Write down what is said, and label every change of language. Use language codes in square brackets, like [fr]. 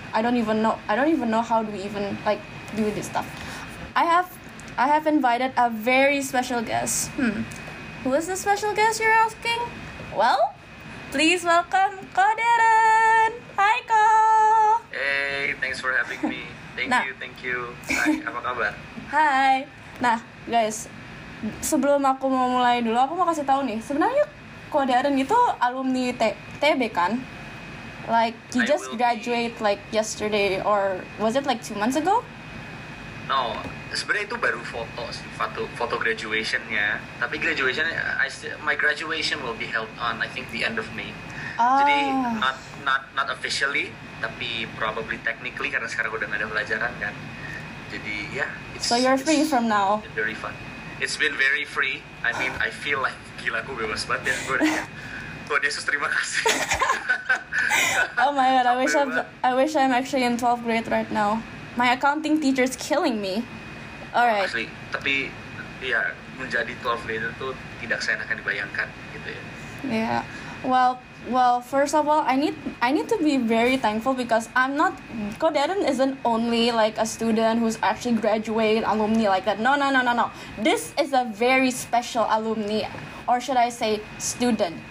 [en] I don't even know how do we even like do this stuff. I have invited a very special guest. Who is the special guest, you're asking? Well, please welcome Ko Deren. Hi, Ko. Hey, thanks for having me. Thank you. Hi, [id] apa kabar? [en] Hi. [id] Nah, guys, sebelum aku mau mulai dulu, aku mau kasih tahu nih. Sebenarnya Ko Deren itu alumni TB kan? [en] Like, you just graduate like yesterday, or was it like 2 months ago? [id] No, sebenarnya itu baru foto graduation-nya. [en] Tapi graduation, my graduation will be held on, I think, the end of May. [id] Jadi, [en] not officially, [id] tapi [en] probably technically, [id] karena sekarang udah gak ada pelajaran kan. Jadi, yeah. [en] So you're free from now. Very fun. It's been very free. I mean, I feel like, [id] gila, gue bebas banget ya. Gue udah, Tuhan Yesus, terima kasih. [en] Oh my God, I wish I'm actually in 12th grade right now. My accounting teacher is killing me. Alright. [id] Actually, tapi ya menjadi 12th grader tuh tidak seenak yang dibayangkan gitu ya. [en] Yeah. Well, first of all, I need to be very thankful because I'm not, Ko Deren isn't only like a student who's actually graduated alumni like that. No. This is a very special alumni, or should I say student.